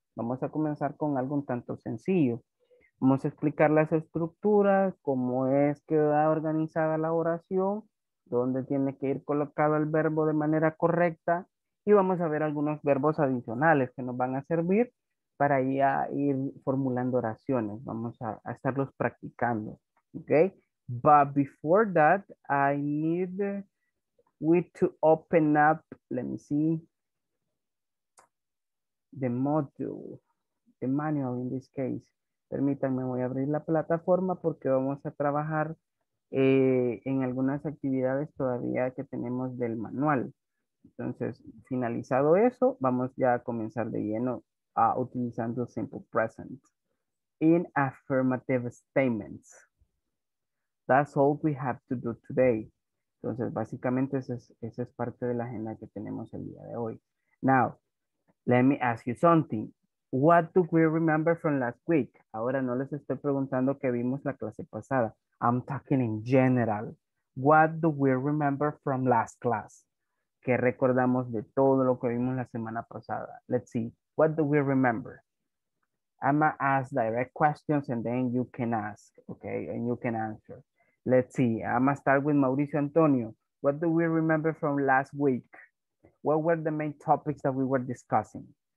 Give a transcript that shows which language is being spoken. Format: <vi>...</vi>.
<es>Vamos a comenzar con algo un tanto sencillo. Vamos a explicar las estructuras, cómo es que va organizada la oración, dónde tiene que ir colocado el verbo de manera correcta, y vamos a ver algunos verbos adicionales que nos van a servir para ya ir formulando oraciones. Vamos a estarlos practicando.</es> <en>Okay? But before that, I need we to open up, let me see, the module, the manual in this case.</en> <es>Permítanme, voy a abrir la plataforma porque vamos a trabajar en algunas actividades todavía que tenemos del manual. Entonces, finalizado eso, vamos ya a comenzar de lleno utilizando</es> <en>simple present in affirmative statements. That's all we have to do today.</en> <es>Entonces, básicamente esa es parte de la agenda que tenemos el día de hoy.</es> <en>Now, let me ask you something. What do we remember from last week?</en> <es>Ahora no les estoy preguntando qué vimos la clase pasada.</es> <en>I'm talking in general. What do we remember from last class?</en> <es>¿Qué recordamos de todo lo que vimos la semana pasada?</es> <en>Let's see. What do we remember? I'm going to ask direct questions and then you can ask, okay? And you can answer. Let's see. I'm going to start with Mauricio Antonio. What do we remember from last week? What were the main topics that we were discussing?</en>